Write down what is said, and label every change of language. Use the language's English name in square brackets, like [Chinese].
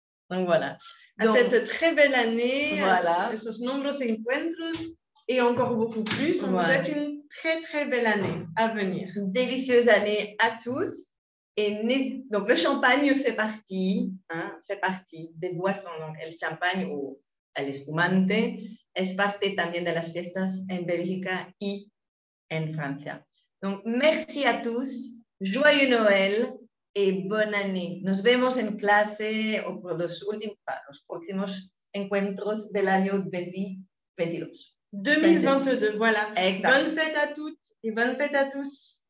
[French] Donc voilà. Donc, à cette très belle année, voilà. À ces nombreux encuentros et encore beaucoup plus, on vous souhaite une très très belle année à venir. Délicieuse année à tous. Et donc le champagne fait partie des boissons. Donc le champagne ou l'espumante est partie [Spanish] también de las fiestas en Bélgica y en Francia. [French] Donc merci à tous, joyeux Noël. Et bonne année. [Spanish] Nos vemos en clase o por los próximos encuentros del año 2022. [French] 2022, voilà. Exact. Bonne fête à toutes et bonne fête à tous.